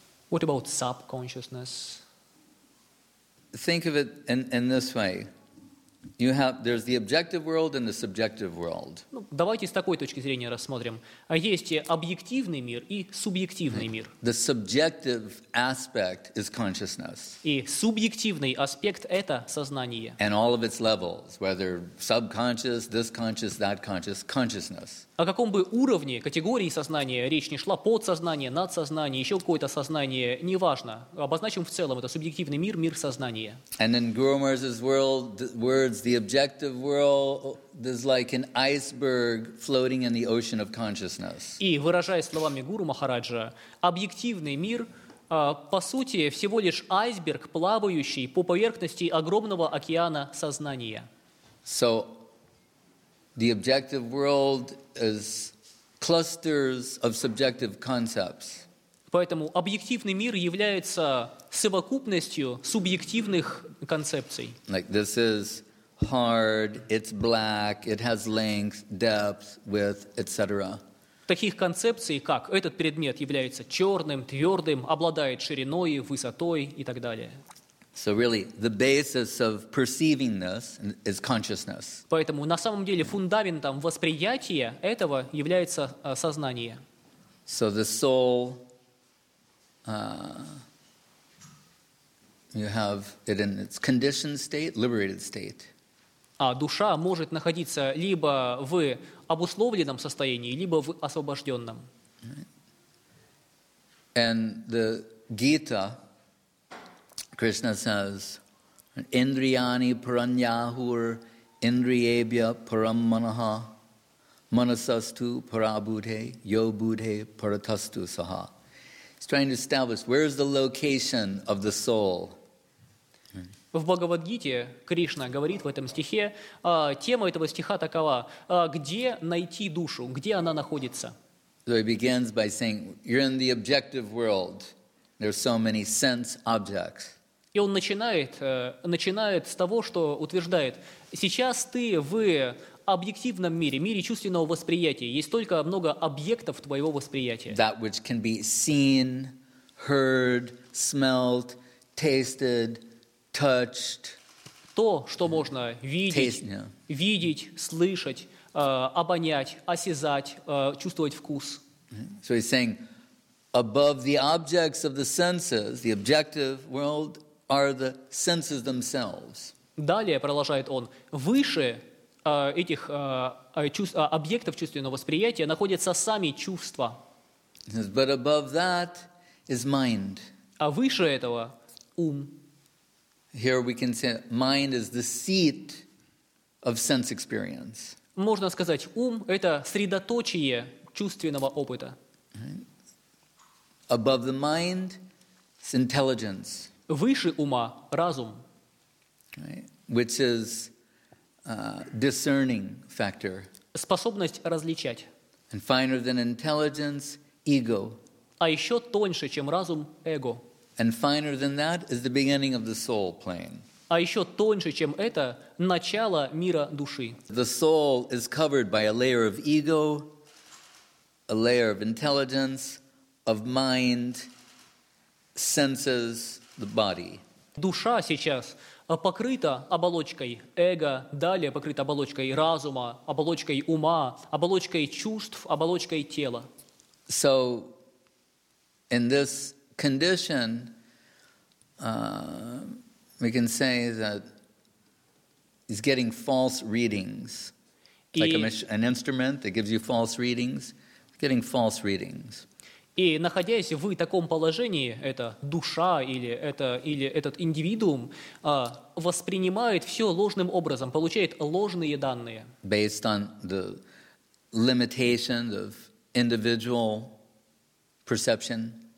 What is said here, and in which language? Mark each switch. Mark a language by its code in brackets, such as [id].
[en] What about subconsciousness? Think of it in this way. You have there's the objective world and the subjective world. [ru] Ну, давайте с такой точки зрения рассмотрим. А есть объективный мир и субъективный мир. [en] The subjective aspect is consciousness. [ru] И субъективный аспект это сознание. [en] And all of its levels, whether subconscious, this conscious, that conscious, consciousness. [ru] О каком бы уровне, категории сознания речь не шла, подсознание, надсознание, еще какое-то сознание, неважно. Обозначим в целом, это субъективный мир, мир сознания. [en] And in Guru Maharaj's world, words, the objective world is like an iceberg floating in the ocean of consciousness. [ru] И, выражаясь словами Гуру Махараджа, объективный мир, по сути, всего лишь айсберг, плавающий по поверхности огромного океана сознания. [en] So, the objective world is clusters of subjective concepts. [ru] Поэтому объективный мир является совокупностью субъективных концепций. [en] Like this is hard, it's black, it has length, depth, width, etc. [ru] Таких концепций, как этот предмет является черным, твердым, обладает шириной, высотой и так далее. [en] So really, the basis of perceiving this is consciousness. [ru] Поэтому на самом деле фундаментом восприятия этого является сознание. [en] So the soul, you have it in its conditioned state, liberated state. [ru] А душа может находиться либо в обусловленном состоянии, либо в освобожденном. [en] And the Gita, Krishna says, [sa] Indriyani Paranyahur Indriyebhya Param Manaha Manasastu Parabhute Yobhute Paratastu Saha. [en] He's trying to establish where is the location of the soul. [ru] В Бхагавад-гите Кришна говорит в этом стихе, тема этого стиха такова, где найти душу, где она находится. [en] So he begins by saying, you're in the objective world. There's so many sense objects. [ru] И он начинает с того, что утверждает, сейчас ты в объективном мире, мире чувственного восприятия, есть только много объектов твоего восприятия. [en] That which can be seen, heard, smelled, tasted, touched, [ru] то, что можно видеть, слышать, обонять, осязать, чувствовать вкус. [en] So he's saying, above the objects of the senses, the objective world, are the senses themselves. [ru] Далее продолжает он, выше этих объектов чувственного восприятия находятся сами чувства. [en] He says, but above that is mind. [ru] А выше этого ум. [en] Here we can say mind is the seat of sense experience. [ru] Можно сказать, ум – это средоточие чувственного опыта. [en] Above the mind is intelligence. [ru] Выше ума – разум. [en] Right? Which is a discerning factor. [ru] Способность различать. [en] And finer than intelligence – ego. [ru] А еще тоньше, чем разум – эго. [en] And finer than that is the beginning of the soul plane. [ru] А еще тоньше, чем это, начало мира души. [en] The soul is covered by a layer of ego, a layer of intelligence, of mind, senses, the body. [ru] Душа сейчас покрыта оболочкой эго, далее покрыта оболочкой разума, оболочкой ума, оболочкой чувств, оболочкой тела. [en] So, in this condition, we can say that he's getting false readings, an instrument that gives you false readings, getting false readings. [ru] И находясь в таком положении, эта душа или этот индивидуум воспринимает все ложным образом, получает ложные данные. [en] Based on the limitations of individual perception.